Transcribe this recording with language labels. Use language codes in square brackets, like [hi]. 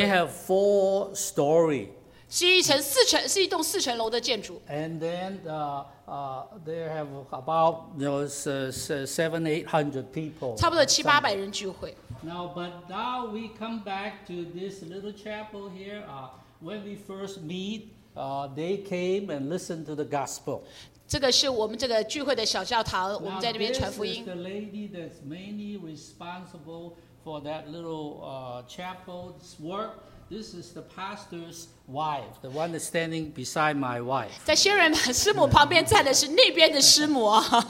[en] And they have four story. [zh] 是一栋四层楼的建筑。 [en] And then there have about those seven, 800 people. [zh] 差不多七八百人聚会。 [en] Now, but now we come back to this little chapel here. When we first meet, they came and listened to the gospel. [zh] 这个是我们这个聚会的小教堂，我们在那边传福音。 [en] Now, this is the lady that's mainly responsible for that little chapel's work. This is the pastor's wife, the one that's standing beside my wife. [zh] 在仙人堂师母旁边站的是那边的师母。